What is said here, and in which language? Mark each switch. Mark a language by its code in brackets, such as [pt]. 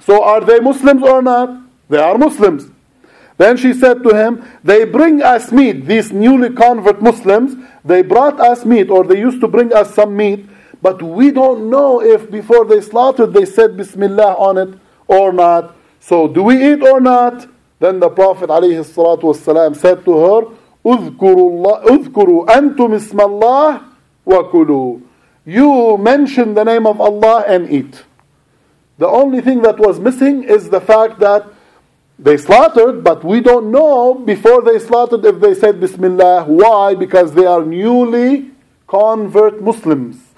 [en] So are they Muslims or not? They are Muslims. Then she said to him, they bring us meat, these newly convert Muslims. They brought us meat, or they used to bring us some meat. But we don't know if before they slaughtered, they said Bismillah on it or not. So do we eat or not? Then the Prophet عليه الصلاة والسلام said to her, [ar] اذكروا أنتم اسم الله وكلوا. [en] You mention the name of Allah and eat. The only thing that was missing is the fact that they slaughtered, but we don't know before they slaughtered if they said Bismillah. Why? Because they are newly convert Muslims.